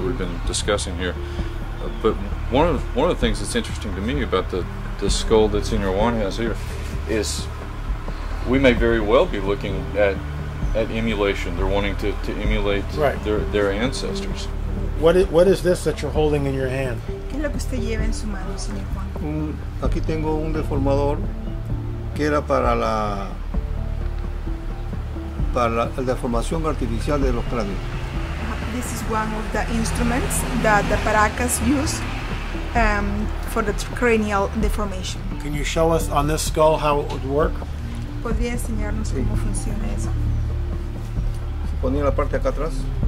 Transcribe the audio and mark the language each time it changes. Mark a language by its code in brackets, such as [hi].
[en] that we've been discussing here. But one of the things that's interesting to me about the skull that Senior Juan has here is we may very well be looking at emulation. They're wanting to emulate right. their ancestors. What is this that you're holding in your hand? [es] ¿Qué es lo que usted lleva en su mano, Señor Juan? Aquí tengo un deformador que era para la deformación artificial de los cráneos. [en] This is one of the instruments that the Paracas use for the cranial deformation. Can you show us on this skull how it would work? [es] ¿Podría enseñarnos sí. cómo funciona eso? Se ponía la parte acá atrás.